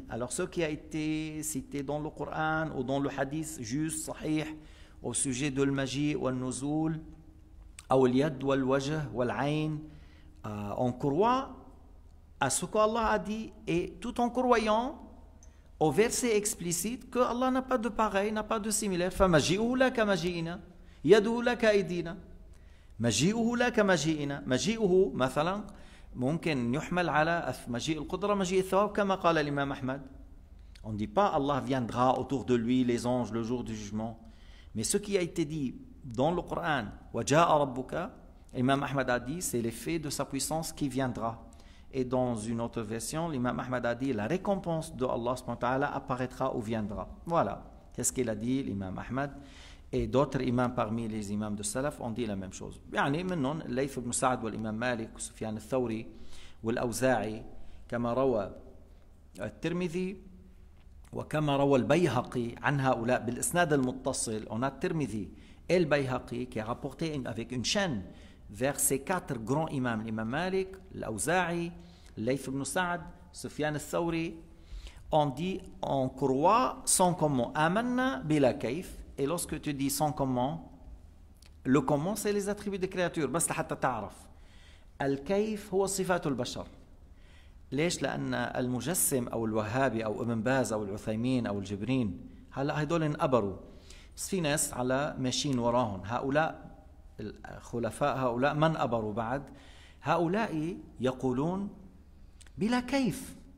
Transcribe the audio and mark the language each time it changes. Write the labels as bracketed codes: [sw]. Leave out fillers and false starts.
[fr] Alors ce qui a été cité dans le Coran ou dans le Hadith juste, صحيح au sujet de l'magie ou le nuzul ou l'yad ou le wajh ou l'ayn, on croit à ce qu'Allah a dit et tout en croyant au verset explicite que Allah n'a pas de pareil, n'a pas de similaire. [ar] فمجيئه لا كمجيئنا يده لا كأيدينا مجيئه لا كمجيئنا مجيئه مثلا ممكن يحمل على مجيء القدرة مجيء الثواب كما قال الإمام أحمد. [fr] On dit pas Allah viendra autour de lui les anges le jour du jugement. Mais ce qui a été dit dans le Coran [ar] وجاء ربك, [fr] الإمام أحمد a dit c'est l'effet de sa puissance qui viendra. Et dans une autre version الإمام أحمد a dit la récompense de Allah سبحانه وتعالى apparaîtra ou viendra. Voilà qu'est-ce qu'il a dit الإمام أحمد. Et d'autres imams parmi les imams de Salaf ont dit la même chose. [ar] يعني منهم ليث بن سعد والإمام مالك وسفيان الثوري والأوزاعي كما روى الترمذي وكما روى البيهقي عن هؤلاء بالإسناد المتصل. [fr] On a الترمذي et le Bayhaqi qui a rapporté avec une chaîne vers ces quatre grands imams, l'imam Malik, l'Auza'i, ليث بن سعد, سفيان الثوري, ont dit on croit sans comment. [ar] آمنا بلا كيف. [fr] Et lorsque tu dis sans comment, le comment c'est les attributs des créatures. [ar] بس لحتى تعرف. الكيف هو صفات البشر. ليش؟ لأن المجسم أو الوهابي أو ابن باز أو العثيمين أو الجبرين هلا هدول انقبروا. بس في ناس على ماشيين وراهم. هؤلاء الخلفاء هؤلاء ما انقبروا بعد. هؤلاء يقولون بلا كيف.